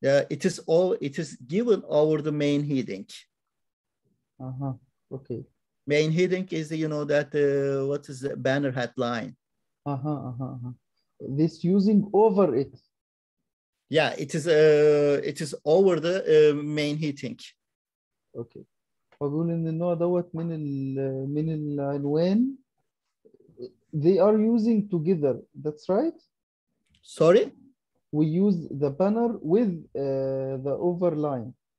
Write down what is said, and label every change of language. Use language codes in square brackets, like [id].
[en] It is given over the main heading. Okay. Main heading is the, you know, that what is the banner headline. This using over it. Yeah, it is over the main heading. Okay. [ar] بقول إن النوع دوت من العنوان. [en] They are using together. That's right. Sorry? We use the banner with the overline.